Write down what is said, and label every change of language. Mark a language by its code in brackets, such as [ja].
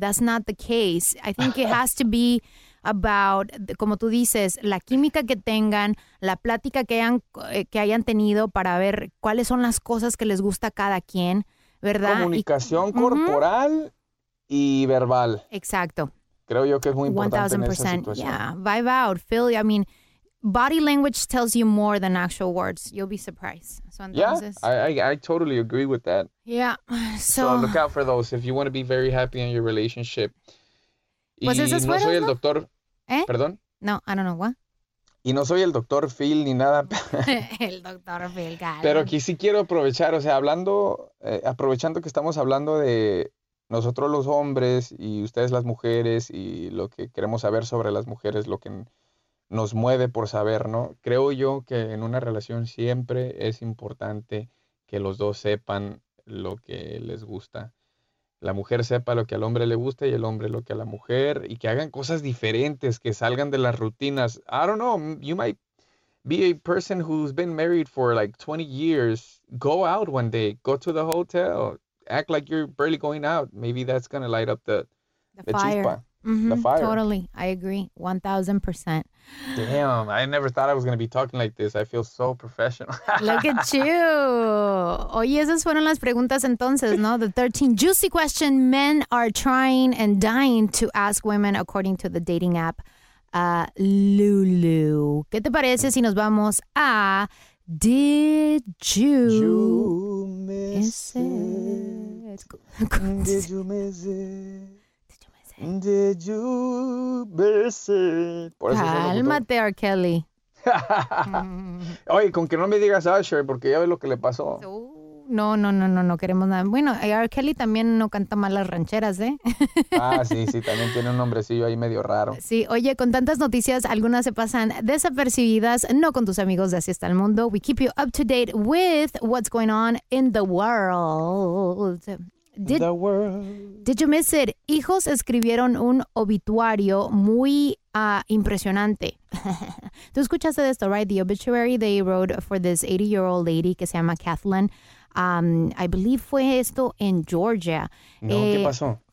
[en] That's not the case. I think it has to be about, [es] como tú dices, la química que tengan, la plática que hayan tenido para ver cuáles son las cosas que les gusta a cada quien, ¿verdad? Comunicación corporal y verbal. Exacto. Creo yo que es muy importante 1,000%. En esa situación. [en] Yeah, vibe out, feel, I mean, body language tells you more than actual words. You'll be surprised. So, I totally agree with that. Yeah, so look out for those if you want to be very happy in your relationship. [es] Y pues no soy el doctor, ¿eh? ¿Perdón? [en] No, I don't know what. [es] Y no soy el doctor Phil ni nada. El doctor Phil, claro. Pero aquí sí quiero aprovechar, o sea, aprovechando que estamos hablando de nosotros los hombres y ustedes las mujeres y lo que queremos saber sobre las mujeres, lo que nos mueve por saber, ¿no? Creo yo que en una relación siempre es importante que los dos sepan lo que les gusta. la mujer sepa lo que al hombre le gusta y el hombre lo que a la mujer, y que hagan cosas diferentes, que salgan de las rutinas. [en] I don't know, you might be a person who's been married for like 20 years. Go out one day, go to the hotel, act like you're barely going out. Maybe that's gonna light up The the fire. chispa, the fire. Totally. I agree. 1000%. Damn, I never thought I was gonna be talking like this. I feel so professional. Look at you. [es] Oye, esas fueron las preguntas entonces, ¿no? [en] The 13 juicy questions men are trying and dying to ask women according to the dating app, Lulu. [es] ¿Qué te parece si nos vamos a [en] Did you You miss miss it? Did you miss it? Did you miss it? [es] Por eso soy locutor. Cálmate, R. Kelly. Oye, con que no me digas Usher, porque ya ves lo que le pasó. No, no, no, no, no queremos nada. Bueno, R. Kelly también no canta mal las rancheras, ¿eh? Ah, sí, también tiene un nombrecillo ahí medio raro. Sí, oye, con tantas noticias, algunas se pasan desapercibidas, no con tus amigos de Así Está el Mundo. [en] We keep you up to date with what's going on in the world. The world. Did you miss it? [es] Hijos escribieron un obituario muy impresionante. Tú escuchaste de esto, [en] right? The obituary they wrote for this 80-year-old lady [es] que se llama [en] Kathleen. I believe [es] fue esto en Georgia. No, ¿qué pasó?